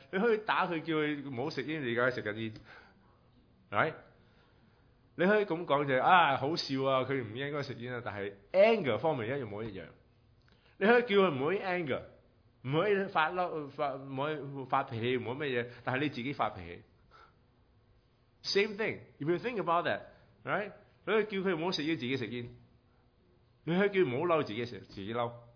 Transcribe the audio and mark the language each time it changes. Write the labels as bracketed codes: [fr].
[yue] 你可以打佢，叫佢唔好食煙，你而家食緊煙，係？你可以咁講就係、是、啊，好笑啊！佢唔應該食煙啊，但係 anger 方面一模一樣。你可以叫佢唔可以 anger， 唔可以發嬲，唔可以發脾氣，唔可以乜嘢，但係你自己發脾氣。 [en] Same thing， if you think about that， right？ [yue] 你可以叫佢唔好食煙，自己食煙。你可以叫唔好嬲，自己食，自己嬲。